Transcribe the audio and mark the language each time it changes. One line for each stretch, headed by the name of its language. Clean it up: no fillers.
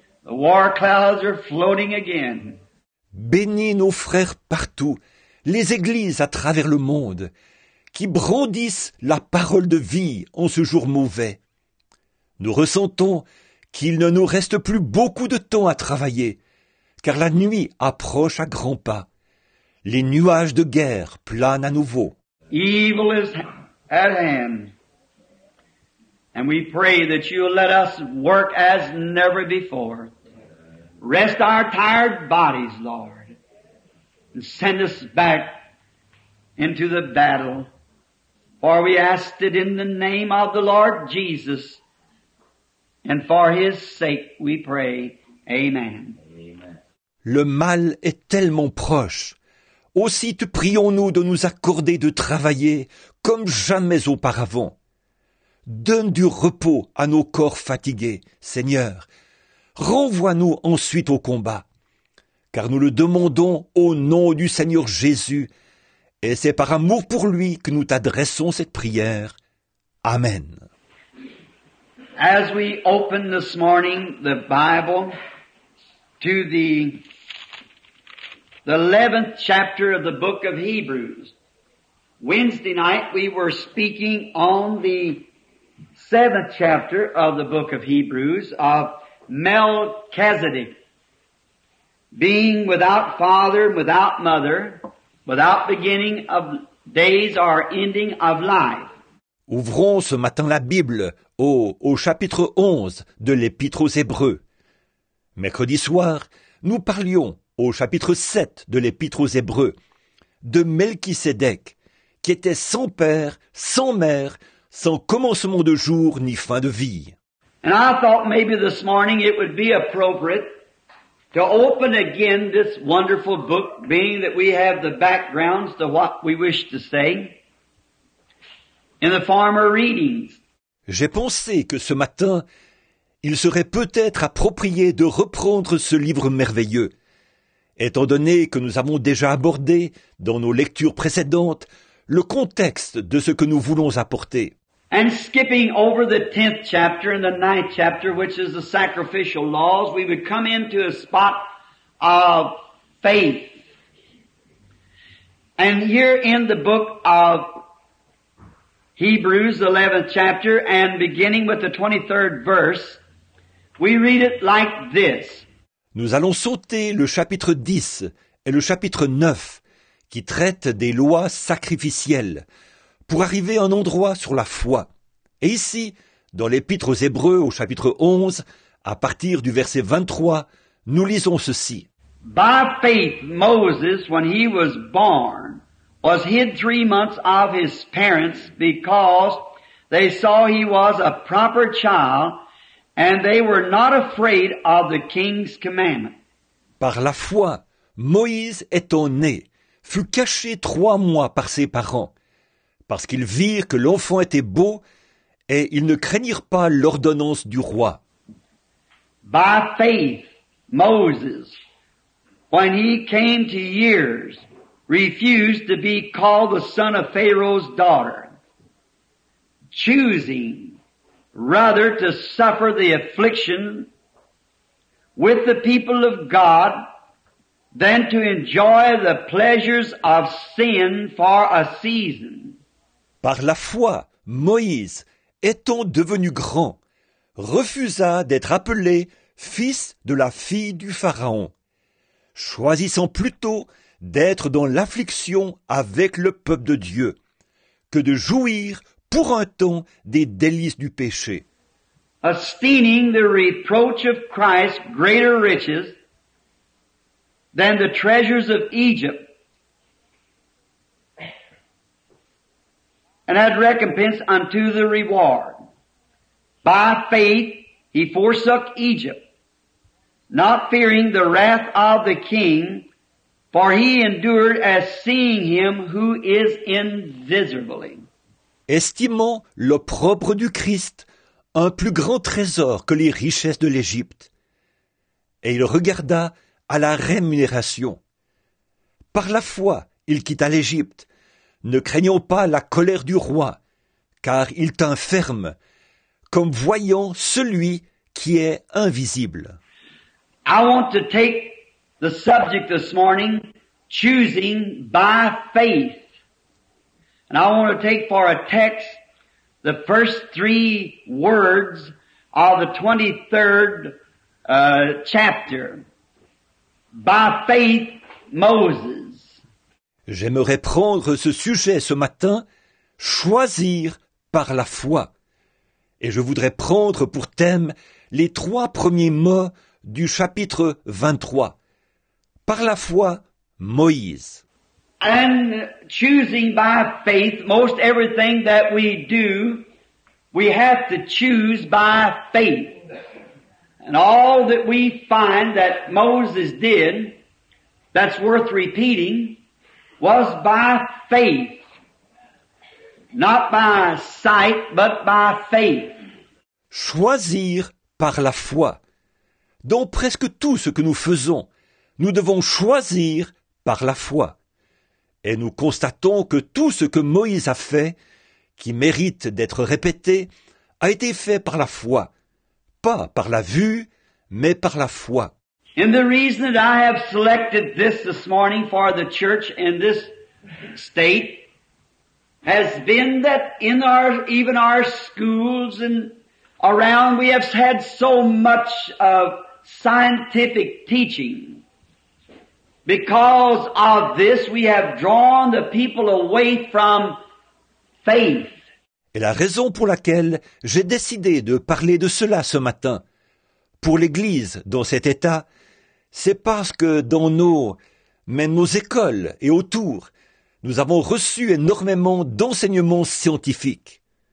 English: The war clouds are floating again.
French: Bénis nos frères partout, les églises à travers le monde, qui brandissent la parole de vie en ce jour mauvais. Nous ressentons qu'il ne nous reste plus beaucoup de temps à travailler, car la nuit approche à grands pas. Les nuages de guerre planent à nouveau.
English: Evil is at hand. And we pray that you will let us work as never before. Rest our tired bodies, Lord, and send us back into the battle. For we ask it in the name of the Lord Jesus, and for his sake we pray. Amen.
French: Le mal est tellement proche. Aussi te prions-nous de nous accorder de travailler comme jamais auparavant. Donne du repos à nos corps fatigués, Seigneur. Renvoie-nous ensuite au combat. Car nous le demandons au nom du Seigneur Jésus. Et c'est par amour pour lui que nous t'adressons cette prière. Amen.
English: As we open this morning the Bible to the 11th chapter of the book of Hebrews, Wednesday night we were speaking on the 7th chapter of the book of Hebrews of Melchizedek, being without father, without mother, without beginning of days or ending of life.
French: Ouvrons ce matin la Bible au chapitre 11 de l'Épître aux Hébreux. Mercredi soir, nous parlions au chapitre 7 de l'Épître aux Hébreux de Melchisédek, qui était sans père, sans mère, sans commencement de jour ni fin de vie.
English: And I thought maybe this morning it would be appropriate to open again this wonderful book, being that we have the backgrounds to what we wish to say in the former readings.
French: J'ai pensé que ce matin, il serait peut-être approprié de reprendre ce livre merveilleux. Étant donné que nous avons déjà abordé, dans nos lectures précédentes, le contexte de ce que nous voulons apporter.
English: And skipping over the 10th chapter and the 9th chapter, which is the sacrificial laws, we would come into a spot of faith. And here in the book of Hebrews, the 11th chapter, and beginning with the 23rd verse, we read it like this.
French: Nous allons sauter le chapitre 10 et le chapitre 9 qui traitent des lois sacrificielles pour arriver à un endroit sur la foi. Et ici, dans l'Épître aux Hébreux au chapitre 11, à partir du verset 23, nous lisons ceci.
English: By faith, Moses, when he was born, was hid 3 months of his parents because they saw he was a proper child. And they were not afraid of the king's commandment.
French: Par la foi, Moïse étant né, fut caché 3 mois par ses parents, parce qu'ils virent que l'enfant était beau, et ils ne craignirent pas l'ordonnance du roi.
English: By faith, Moses, when he came to years, refused to be called the son of Pharaoh's daughter, choosing rather to suffer the affliction with the people of God than to enjoy the pleasures of sin for a season.
French: Par la foi, Moïse, étant devenu grand, refusa d'être appelé fils de la fille du Pharaon, choisissant plutôt d'être dans l'affliction avec le peuple de Dieu que de jouir pour un temps des délices du péché.
English: Esteeming the reproach of Christ greater riches than the treasures of Egypt, and had recompense unto the reward. By faith he forsook Egypt, not fearing the wrath of the king, for he endured as seeing him who is invisibly.
French: Estimant l'opprobre du Christ un plus grand trésor que les richesses de l'Égypte. Et il regarda à la rémunération. Par la foi, il quitta l'Égypte, ne craignant pas la colère du roi, car il tint ferme, comme voyant celui qui est invisible.
English: I want to take the subject this morning, choosing by faith. And I want to take for a text the first 3 words of the 23rd chapter. By faith, Moses.
French: J'aimerais prendre ce sujet ce matin, choisir par la foi. Et je voudrais prendre pour thème les 3 premiers mots du chapitre 23. Par la foi, Moïse.
English: And choosing by faith, most everything that we do, we have to choose by faith. And all that we find that Moses did that's worth repeating was by faith. Not by sight, but by faith.
French: Choisir par la foi. Dans presque tout ce que nous faisons, nous devons choisir par la foi. Et nous constatons que tout ce que Moïse a fait, qui mérite d'être répété, a été fait par la foi. Pas par la vue, mais par la foi.
English: And the reason that I have selected this morning for the church in this state has been that in our, even our schools and around, we have had so much of scientific teaching. Because of this, we have drawn the people away from faith.
French: Et la raison pour laquelle j'ai décidé de parler de cela ce matin, pour l'Église dans cet état, c'est parce que dans nos écoles et autour, nous avons reçu énormément d'enseignements scientifiques.